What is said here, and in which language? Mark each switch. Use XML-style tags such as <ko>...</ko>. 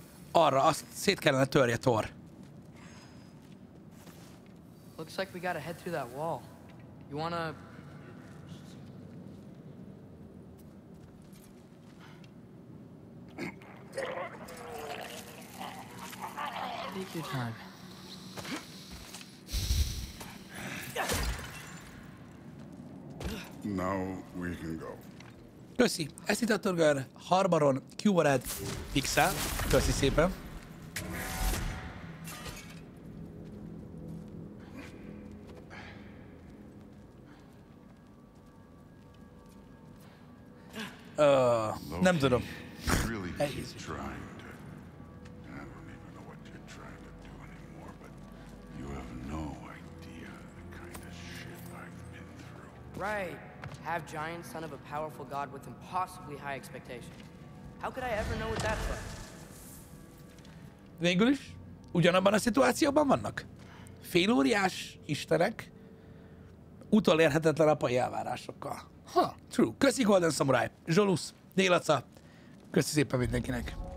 <hu>Arra, azt szét kellene törje, Thor.</hu> <en>Looks like we gotta head through that wall. You wanna... Take your time. Now we can go.</en> <hu>Köszi! Ezt itt a Törgör, Harbaron, Q-Bored, Pixel. Köszi szépen! Nem tudom.</hu> <en>Really is trying to. I don't even know what you're trying to do anymore, but you have no idea the kind of shit I've been through. Right. Have giant son of a powerful god with impossibly high expectations. How could I ever know what that's like?</en> <hu>Végül is ugyanabban a szituációban vannak. Félóriás istenek utolérhetetlen apai elvárásokkal. Ha,</hu> <en>true.</en> <hu>Köszi Golden Samurai. Zsolusz. Délaca. Köszi szépen mindenkinek.</hu>